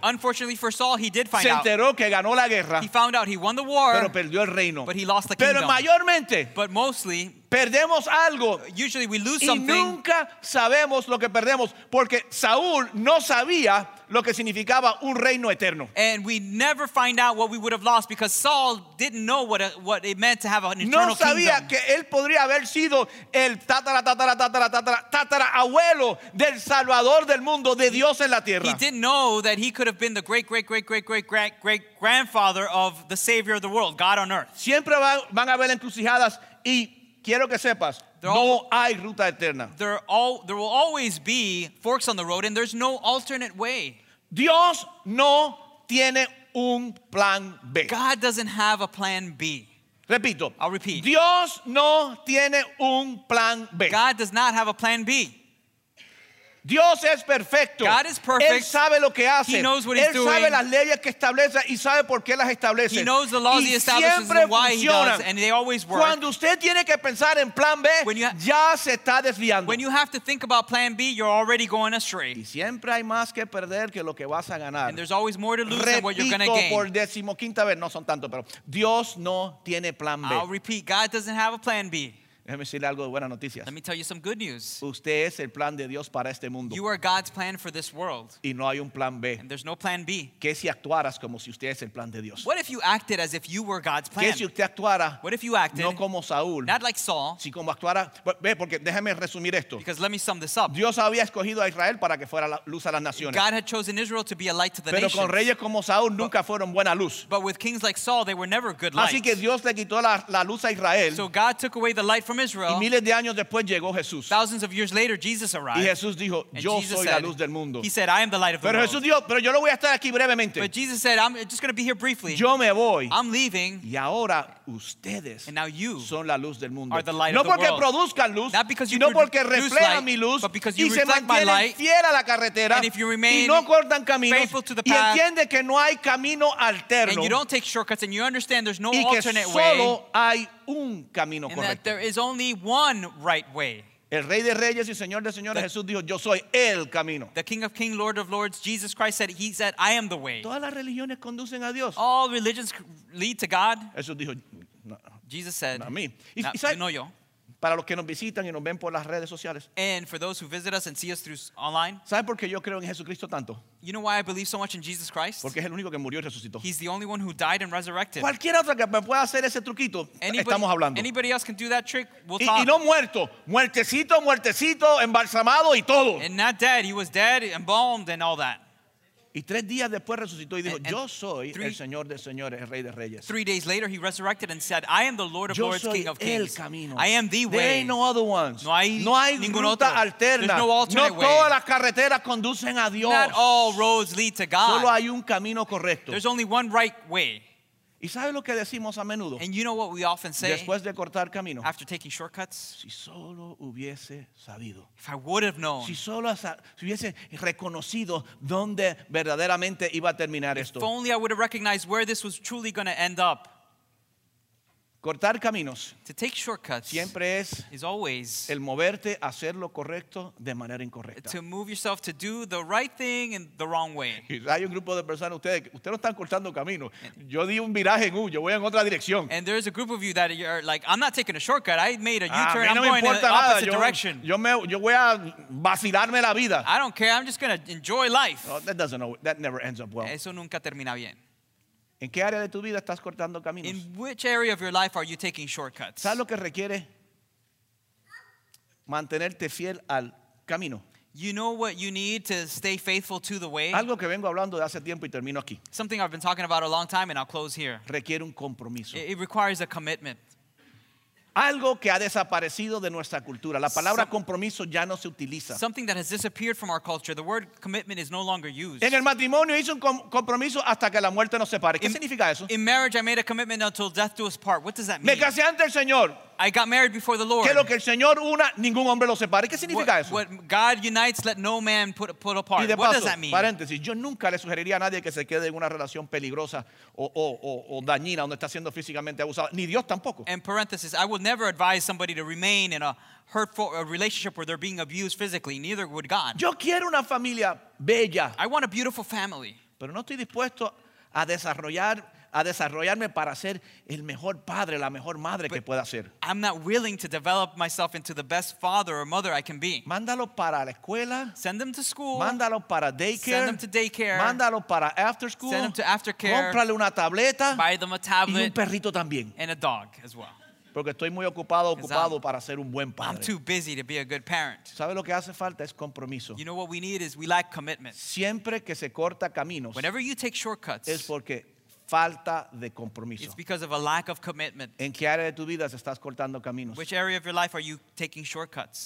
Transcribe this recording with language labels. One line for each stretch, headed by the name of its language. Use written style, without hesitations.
English: Unfortunately for Saul, he did find
Spanish: se enteró
English: out.
Spanish: Que ganó la guerra,
English: he found out he won the war,
Spanish: pero perdió el reino.
English: But he lost the
Spanish: pero
English: kingdom.
Spanish: Mayormente,
English: but mostly,
Spanish: perdemos algo.
English: Usually we lose something.
Spanish: Y nunca sabemos lo que perdemos porque Saúl no sabía lo que significaba un reino eterno.
English: And we never find out what we would have lost because Saul didn't know what it meant to have an eternal kingdom.
Spanish: No sabía que él podría haber sido el tatarabuelo del Salvador del mundo, de Dios en la tierra.
English: He didn't know that he could have been the great great great great great great great grandfather of the Savior of the world, God on earth.
Spanish: Siempre van a haber encrucijadas y quiero que sepas, no hay ruta eterna.
English: There will always be forks on the road, and there's no alternate way.
Spanish: Dios no tiene un plan B.
English: God doesn't have a plan B.
Spanish: Repito.
English: I'll repeat.
Spanish: Dios no tiene un plan B.
English: God does not have a plan B.
Spanish: Dios es perfecto.
English: God is perfect.
Spanish: Él sabe lo que hace.
English: He knows what he's doing.
Spanish: Él sabe las leyes que establece y sabe por qué las establece.
English: He knows the laws
Spanish: y
English: he establishes and why
Spanish: funcionan.
English: He does, and they always work.
Spanish: Cuando usted tiene que pensar en plan B, ya se está desviando.
English: When you have to think about plan B, you're already going astray.
Spanish: Y siempre hay más que perder que lo que vas a ganar.
English: And there's always more to lose
Spanish: repito
English: than what you're going to gain.
Spanish: Repito por decimoquinta vez, no son tanto, pero Dios no tiene plan B.
English: I'll repeat, God doesn't have a plan B.
Spanish: Déjeme decirle algo de buenas noticias.
English: Let me tell you some good news.
Spanish: Usted es el plan de Dios para este mundo.
English: You are God's plan for this world.
Spanish: Y no hay un plan B.
English: And there's no plan B.
Spanish: ¿Qué si actuaras como si usted es el plan de Dios?
English: What if you acted as if you were God's plan?
Spanish: ¿Qué si usted actuara?
English: What if you acted?
Spanish: No como Saúl.
English: Not like Saul.
Spanish: Si como actuara, ve porque déjeme resumir esto.
English: Because let me sum this up.
Spanish: Dios había escogido a Israel para que fuera la luz a las naciones.
English: God had chosen Israel to be a light to the
Spanish: pero
English: nations.
Spanish: Pero con reyes como Saúl nunca fueron buena luz.
English: But with kings like Saul, they were never good light.
Spanish: Así que Dios le quitó la luz a Israel.
English: So God took away the light from Israel.
Spanish: Y miles de años después llegó Jesús.
English: Thousands of years later, Jesus arrived.
Spanish: Y Jesús dijo, yo soy
English: said,
Spanish: la luz del mundo.
English: He said, I am the light of the
Spanish: pero
English: world.
Spanish: Dijo, pero yo lo voy a estar aquí brevemente.
English: But Jesus said, I'm just going to be here briefly.
Spanish: Yo me voy.
English: I'm leaving.
Spanish: Y ahora ustedes
English: and now you
Spanish: son la luz del mundo.
English: Are the light
Spanish: no
English: of the world.
Spanish: No porque produzcan luz,
English: not because you
Spanish: sino porque reflejan mi luz,
English: but because you
Spanish: y se mantienen
English: light,
Spanish: fiel a la carretera,
English: and if you remain
Spanish: y no cortan caminos,
English: faithful to the path,
Spanish: y entiende que no hay camino alterno,
English: and you don't take shortcuts, and you understand there's no
Spanish: y que
English: alternate
Spanish: solo
English: way,
Spanish: hay un camino correcto.
English: And that there is only one right way.
Spanish: El Rey de Reyes y Señor de Señores, Jesús dijo, yo soy el camino.
English: The King of Kings, Lord of Lords, Jesus Christ said, he said, I am the way.
Spanish: Todas las religiones conducen a Dios.
English: All religions lead to God.
Spanish: Jesús dijo, no,
English: Jesus said,
Spanish: no, a mí. Y sabe, no yo. Para los que nos visitan y nos ven por las redes sociales.
English: And for those who visit us and see us through online.
Spanish: ¿Sabe por qué yo creo en Jesucristo tanto?
English: You know why I believe so much in Jesus Christ?
Spanish: Porque es el único que murió y resucitó.
English: He's the only one who died and resurrected.
Spanish: Cualquier otro que me pueda hacer ese truquito,
English: anybody,
Spanish: estamos hablando.
English: Anybody else can do that trick, we'll
Spanish: y,
English: talk.
Spanish: Y no muerto, muertecito, embalsamado y todo.
English: And not dead, he was dead, embalmed and all that.
Spanish: Y tres días después resucitó y dijo, yo soy el Señor de señores, el Rey de reyes.
English: 3 days later he resurrected and said, I am the Lord of lords, King of kings.
Spanish: Yo soy el camino.
English: I am the way. There ain't no other ones.
Spanish: No hay ninguna otra alterna.
English: There's no alternate way.
Spanish: No todas las carreteras conducen a Dios.
English: Not all roads lead to God.
Spanish: Solo hay un camino correcto.
English: There's only one right way.
Spanish: ¿Y sabes lo que decimos a menudo?
English: And you know what we often say?
Spanish: Después de cortar camino.
English: After taking shortcuts.
Spanish: Si solo hubiese sabido.
English: If I would have known.
Spanish: Si solo hubiese reconocido dónde verdaderamente iba a terminar esto.
English: If only I would have recognized where this was truly going to end up.
Spanish: Cortar caminos.
English: To take shortcuts.
Spanish: Siempre es
English: is always
Spanish: el moverte a hacer lo correcto de manera incorrecta.
English: To move yourself to do the right thing in the wrong way.
Spanish: Hay un grupo de personas ustedes no están cortando caminos. Yo di un viraje en U, yo voy en otra dirección.
English: And there's a group of you that you're like, I'm not taking a shortcut. I made a U-turn.
Spanish: No
English: I'm going in the opposite direction.
Spanish: Yo voy a vacilarme la vida.
English: I don't care. I'm just going to enjoy life. Oh, that never ends up well.
Spanish: Eso nunca termina bien. ¿En qué área de tu vida estás cortando caminos?
English: In which area of your life are you taking shortcuts?
Spanish: ¿Sabes lo que requiere? Mantenerte fiel al camino.
English: You know what you need to stay faithful to the way?
Spanish: Algo que vengo hablando de hace tiempo y termino aquí.
English: Something I've been talking about a long time and I'll close here.
Spanish: Requiere un compromiso.
English: It requires a commitment.
Spanish: Algo que ha desaparecido de nuestra cultura. La palabra compromiso ya no se utiliza.
English: Something that has disappeared from our culture. The word commitment is no longer used.
Spanish: En el matrimonio hice un compromiso hasta que la muerte nos separe. ¿Qué significa eso?
English: In marriage I made a commitment until death do us part. What does that mean?
Spanish: Me casé ante el Señor.
English: I got married before the Lord.
Spanish: Que lo que el Señor una, ningún hombre lo separe. ¿Qué significa eso?
English: What God unites, let no man put apart.
Spanish: Y de paso,
English: what does that mean?
Spanish: Paréntesis, yo nunca le sugeriría a nadie que se quede en una relación peligrosa o dañina donde está siendo físicamente abusado. Ni Dios tampoco.
English: In parentheses, I would never advise somebody to remain in a hurtful a relationship where they're being abused physically. Neither would God.
Spanish: Yo quiero una familia bella.
English: I want a beautiful family.
Spanish: Pero no estoy dispuesto a desarrollarme para ser el mejor padre, la mejor madre
English: but
Spanish: que pueda ser.
English: I'm not willing to develop myself into the best father or mother I can be.
Spanish: Mándalo para la escuela.
English: Send them to school.
Spanish: Mándalo para daycare.
English: Send them to daycare.
Spanish: Mándalo para after school.
English: Send them to aftercare.
Spanish: Cómprale una tableta.
English: Buy them a tablet.
Spanish: Y un perrito también.
English: And a dog as well.
Spanish: Porque estoy muy ocupado para ser un buen padre.
English: I'm too busy to be a good parent.
Spanish: ¿Sabe lo que hace falta? Es compromiso.
English: You know what we need is we lack commitment.
Spanish: Siempre que se corta caminos.
English: Whenever you take shortcuts.
Spanish: Es porque falta de compromiso.
English: It's because of a lack of commitment.
Spanish: ¿En qué área de tu vida estás cortando caminos?
English: Which area of your life are you taking shortcuts?